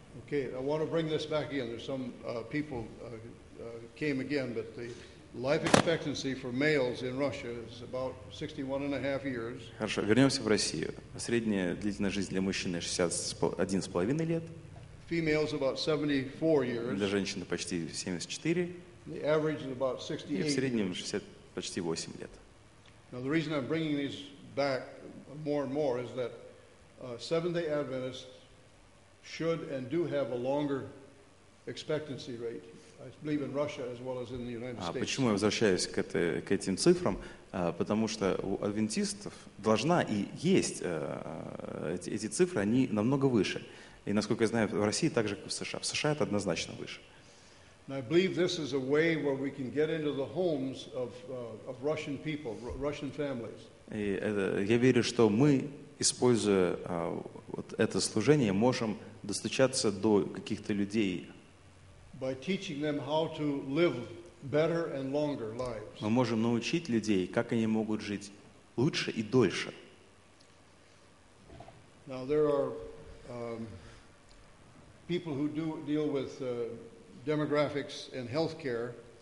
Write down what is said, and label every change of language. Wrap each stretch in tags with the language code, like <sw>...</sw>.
<en>Okay, I want to bring this back again. There's some people came again, but the life expectancy for males in Russia is about 61 and a half years.</en> <ru>Хорошо, вернемся в Россию. Средняя длительность жизни для мужчины 61,5 лет.</ru> <en>Females about 74 years.</en> <ru>Для женщины почти 74.</ru> <en>The average is about 68.</en> <ru>И в среднем 60, почти 8 лет.</ru> <en>Now the reason I'm bringing these back more and more is that Seventh-day Adventists should and do have a longer expectancy rate. I believe in Russia as well as in the United States.</en> <ru>А почему я возвращаюсь к этой, к этим цифрам? Потому что у адвентистов должна и есть эти цифры, они намного выше. И насколько я знаю, в России так же, как и в США. В США это однозначно выше.</ru> <en>I believe this is a way where we can get into the homes of Russian people, Russian families.</en> <ru>И я верю, что мы, используя вот это служение, можем достучаться до каких-то людей.</ru> <en>By teaching them how to live better and longer lives.</en> <ru>Мы можем научить людей, как они могут жить лучше и дольше.</ru> <en>Now there are people who do deal with demographics and healthcare.</en>